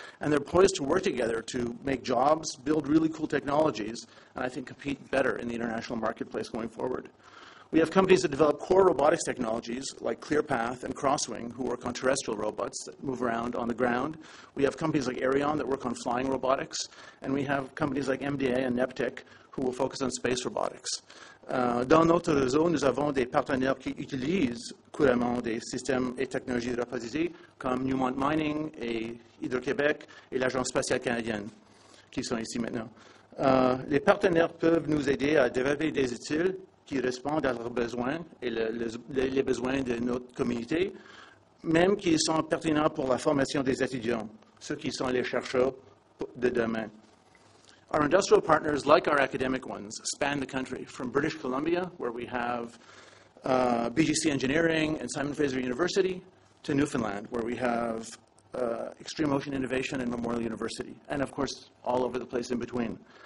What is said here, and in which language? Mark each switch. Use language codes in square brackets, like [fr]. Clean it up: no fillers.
[en] And they're poised to work together to make jobs, build really cool technologies, and I think compete better in the international marketplace going forward. We have companies that develop core robotics technologies like ClearPath and Crosswing, who work on terrestrial robots that move around on the ground. We have companies like Aireon that work on flying robotics. And we have companies like MDA and Neptech, who will focus on space robotics. [fr] Dans notre réseau, nous avons des partenaires qui utilisent couramment des systèmes et technologies robotisées, comme Newmont Mining et Hydro-Québec et l'Agence spatiale canadienne, qui sont ici maintenant. Les partenaires peuvent nous aider à développer des outils qui répondent à leurs besoins et les besoins de notre communauté, même qui sont pertinents pour la formation des étudiants, ceux qui sont les chercheurs de demain. [en] Our industrial partners, like our academic ones, span the country from British Columbia, where we have BGC Engineering and Simon Fraser University, to Newfoundland, where we have Extreme Ocean Innovation and Memorial University, and of course, all over the place in between.